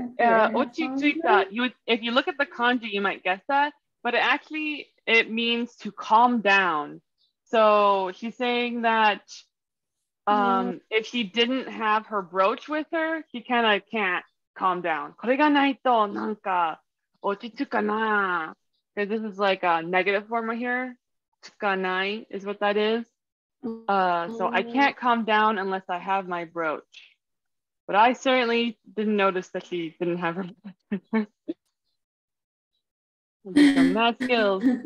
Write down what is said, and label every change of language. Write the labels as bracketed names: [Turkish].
[Japanese] Ochi tuita, [English] if you look at the kanji, you might guess that, but it means to calm down. So she's saying that if she didn't have her brooch with her, she kind of can't calm down. [Japanese] これがないとなんか落ち着かな。 [English] Because this is like a negative form right here. [Japanese] つかない [English] is what that is. So I can't calm down unless I have my brooch. But I certainly didn't notice that she didn't have her brooch. Some mad skills.